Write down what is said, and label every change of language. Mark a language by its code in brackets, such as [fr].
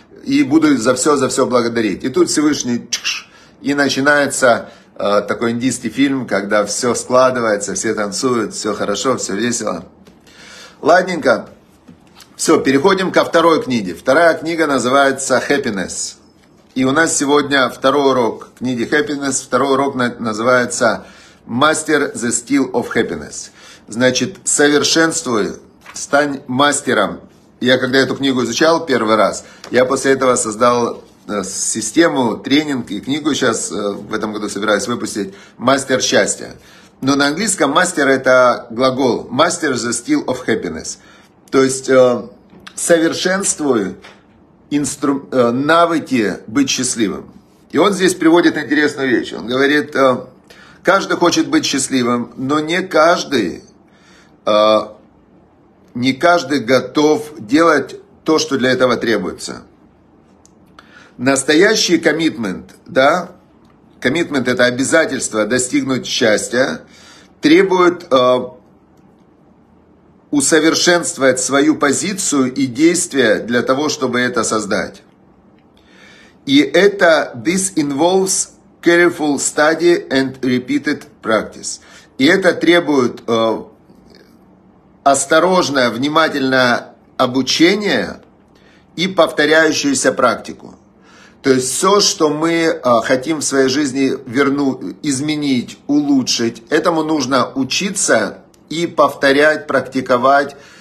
[ru] И буду за все благодарить. И тут Всевышний, и начинается такой индийский фильм, когда все складывается, все танцуют, все хорошо, все весело. Ладненько. Все, переходим ко второй книге. Вторая книга называется «Happiness». И у нас сегодня второй урок книги «Happiness». Второй урок называется [en] «Master the Skill of Happiness». [ru] Значит, совершенствуй, стань мастером. Я когда эту книгу изучал первый раз, я после этого создал систему, тренинг и книгу сейчас в этом году собираюсь выпустить «Мастер счастья». Но на английском «мастер» — это глагол [en] «Master the Skill of Happiness». [ru] То есть совершенствуй навыки быть счастливым. И он здесь приводит интересную вещь. Он говорит, каждый хочет быть счастливым, но не каждый готов делать то, что для этого требуется. Настоящий коммитмент, да, коммитмент это обязательство достигнуть счастья, требует усовершенствовать свою позицию и действия для того, чтобы это создать. И это [en] this involves careful study and repeated practice. [ru] И это требует осторожное, внимательное обучение и повторяющуюся практику. То есть все, что мы хотим в своей жизни изменить, улучшить, этому нужно учиться и повторять, практиковать.